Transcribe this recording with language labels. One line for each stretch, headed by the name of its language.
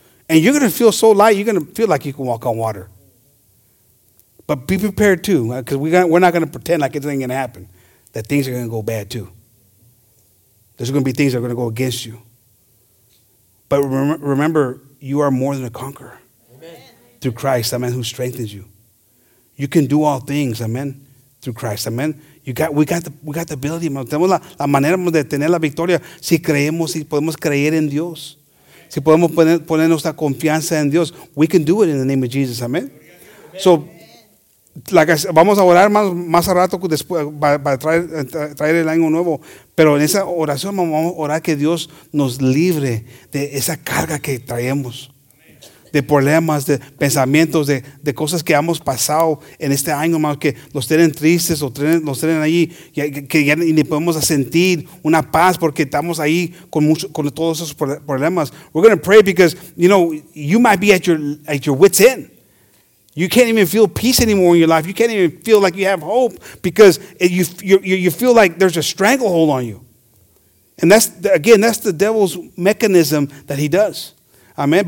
English: And you're going to feel so light, you're going to feel like you can walk on water. But be prepared too, because we're not going to pretend like it's not going to happen, that things are going to go bad too. There's going to be things that are going to go against you. But remember, you are more than a conqueror. Amen. Through Christ, amen, who strengthens you. You can do all things, amen, through Christ, amen. We got the ability.
Spanish: Tenemos la manera de tener la victoria si creemos, si podemos creer en Dios. Si podemos poner nuestra confianza en Dios.
English: We can do it in the name of Jesus, amen. So, like I said,
Spanish: vamos a orar más a rato después para traer el año nuevo. Pero en esa oración vamos a orar que Dios nos libre de esa carga que traemos, de problemas, de pensamientos, de cosas que hemos pasado en este año, hermano, que los tienen tristes o los tienen ahí, que ya ni podemos sentir una paz porque estamos ahí con todos esos problemas.
English: We're going to pray because, you know, you might be at your wit's end. You can't even feel peace anymore in your life. You can't even feel like you have hope because you feel like there's a stranglehold on you. And that's the devil's mechanism that he does. Amen.